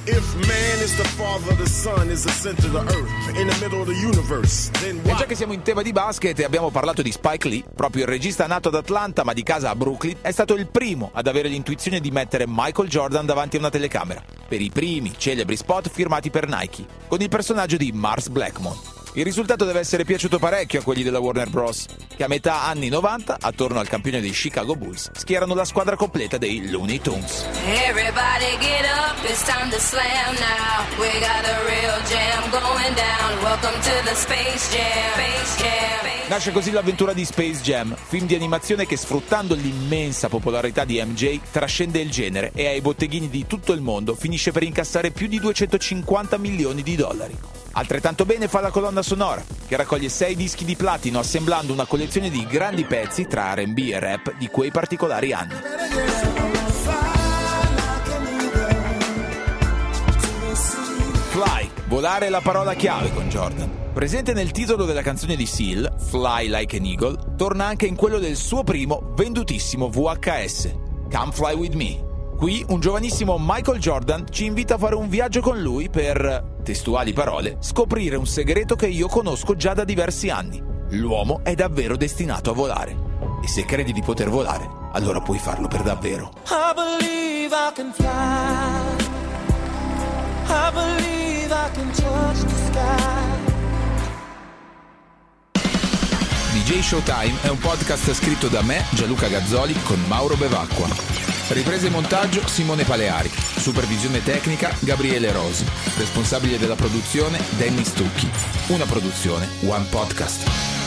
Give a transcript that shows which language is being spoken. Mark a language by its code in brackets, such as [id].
[it] E già che siamo in tema di basket e abbiamo parlato di Spike Lee, proprio il regista nato ad Atlanta ma di casa a Brooklyn, è stato il primo ad avere l'intuizione di mettere Michael Jordan davanti a una telecamera, per i primi celebri spot firmati per Nike, con il personaggio di Mars Blackmon. Il risultato deve essere piaciuto parecchio a quelli della Warner Bros., che a metà anni 90, attorno al campione dei Chicago Bulls, schierano la squadra completa dei Looney Tunes. [en] Everybody get up, it's time to slam now. We got a real jam going down. Welcome to the Space Jam. Space Jam. [it] Nasce così l'avventura di Space Jam, film di animazione che, sfruttando l'immensa popolarità di MJ, trascende il genere e ai botteghini di tutto il mondo finisce per incassare più di 250 milioni di dollari. Altrettanto bene fa la colonna sonora, che raccoglie 6 dischi di platino assemblando una collezione di grandi pezzi tra R&B e rap di quei particolari anni. Fly, volare è la parola chiave con Jordan. Presente nel titolo della canzone di Seal, Fly Like an Eagle, torna anche in quello del suo primo vendutissimo VHS, Come Fly With Me. Qui un giovanissimo Michael Jordan ci invita a fare un viaggio con lui per, testuali parole, scoprire un segreto che io conosco già da diversi anni. L'uomo è davvero destinato a volare. E se credi di poter volare, allora puoi farlo per davvero. [en] I believe I can fly. I believe I can touch the sky. [it] DJ Showtime è un podcast scritto da me, Gianluca Gazzoli, con Mauro Bevacqua. Riprese e montaggio Simone Paleari. Supervisione tecnica Gabriele Rosi. Responsabile della produzione Danny Stucchi. Una produzione One Podcast.